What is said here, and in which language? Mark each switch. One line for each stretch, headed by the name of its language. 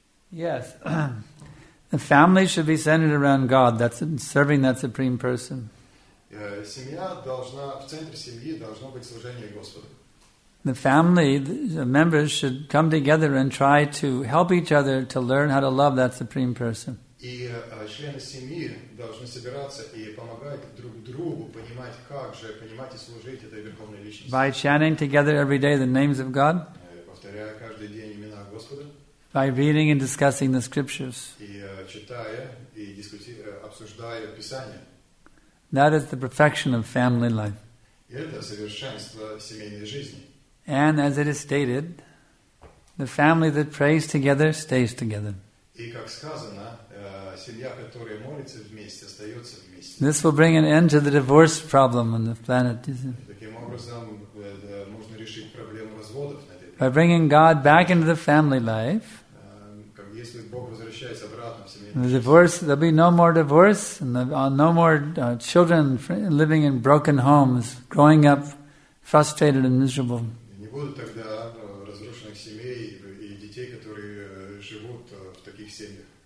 English: Yes, the family should be centered around God. That's serving that supreme person.
Russian: Семья должна в центре семьи должно быть служение Господу.
English: The family the members should come together and try to help each other to learn how to love that supreme person.
Russian: И члены семьи должны собираться и помогать друг другу понимать, как же понимать и служить этой верховной личности.
English: By chanting together every day the names of God.
Russian: Повторяя каждый день имена Господа.
English: By reading and discussing the scriptures.
Russian: И читая и обсуждая Писание.
English: That is the perfection of family life.
Russian: Это совершенство семейной жизни.
English: And as it is stated, the family that prays together stays together.
Russian: И как сказано, семья, которая молится вместе, остается вместе.
English: This will bring an end to the divorce problem on the planet.
Russian: Таким образом, можно решить проблему разводов.
English: By bringing God back into the family life, the divorce, there'll be no more divorce, and no more children living in broken homes, growing up frustrated and miserable.
Russian: Не будет тогда разрушенных семей и детей, которые живут в таких семьях.